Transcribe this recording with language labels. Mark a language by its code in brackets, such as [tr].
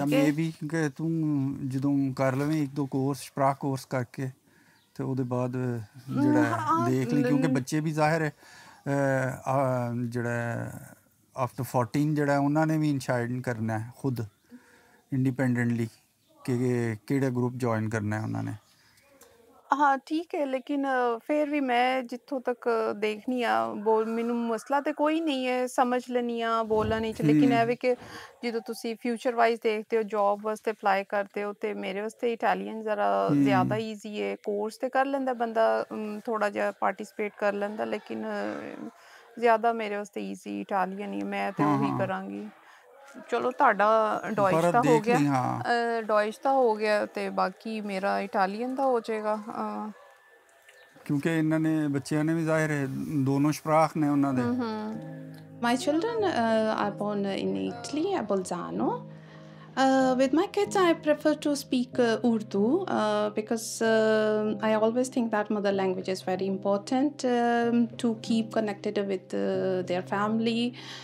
[pa] ya maybe ke tu jadon kar lave ek do course sprach course karke te ode baad jada dekh li kyunki bacche bhi zahir hai ਜਿਹੜਾ after 14 ਜਿਹੜਾ ਉਹਨਾਂ ਨੇ ਵੀ ਇੰਸਾਈਡ ਕਰਨਾ ਖੁਦ independently ਕਿ ਕਿਹੜਾ group join ਕਰਨਾ ਉਹਨਾਂ ਨੇ ਹਾਂ ਠੀਕ ਹੈ ਲੇਕਿਨ ਫਿਰ ਵੀ ਮੈਂ ਜਿੱਥੋਂ ਤੱਕ ਦੇਖਣੀ ਆ ਬੋਲ ਮੈਨੂੰ ਮਸਲਾ ਤਾਂ ਕੋਈ ਨਹੀਂ ਹੈ ਸਮਝ ਲੈਣੀ ਆ ਬੋਲਣ ਵਿੱਚ ਲੇਕਿਨ ਇਹ ਵੀ ਕਿ ਜਦੋਂ ਤੁਸੀਂ ਫਿਊਚਰ ਵਾਈਜ਼ ਦੇਖਦੇ ਹੋ ਜੋਬ ਵਾਸਤੇ ਅਪਲਾਈ ਕਰਦੇ ਹੋ ਤਾਂ ਮੇਰੇ ਵਾਸਤੇ ਇਟਾਲੀਅਨ ਜ਼ਰਾ ਜ਼ਿਆਦਾ ਈਜ਼ੀ ਹੈ ਕੋਰਸ ਤਾਂ ਕਰ ਲੈਂਦਾ ਬੰਦਾ ਥੋੜ੍ਹਾ ਜਿਹਾ ਪਾਰਟੀਸਪੇਟ ਕਰ ਲੈਂਦਾ ਲੇਕਿਨ ਜ਼ਿਆਦਾ ਮੇਰੇ ਵਾਸਤੇ ਈਜ਼ੀ ਇਟਾਲੀਅਨ ਹੀ ਮੈਂ ਤਾਂ ਉਹੀ ਕਰਾਂਗੀ ਚਲੋ ਤੁਹਾਡਾ ਡੋਇਸ਼ ਤਾਂ ਹੋ ਗਿਆ ਡੋਇਸ਼ ਤਾਂ ਹੋ ਗਿਆ ਤੇ ਬਾਕੀ ਮੇਰਾ ਇਟਾਲੀਅਨ ਦਾ ਹੋ ਜਾਏਗਾ ਕਿਉਂਕਿ ਇਹਨਾਂ ਨੇ ਬੱਚਿਆਂ ਨੇ ਵੀ ਜ਼ਾਹਿਰ ਹੈ ਦੋਨੋ ਸਪਰਾਖ ਨੇ ਉਹਨਾਂ ਦੇ [en] My children are born in Italy ah Bolzano With my kids, I prefer to speak Urdu because I always think that mother language is very important to keep connected with their family.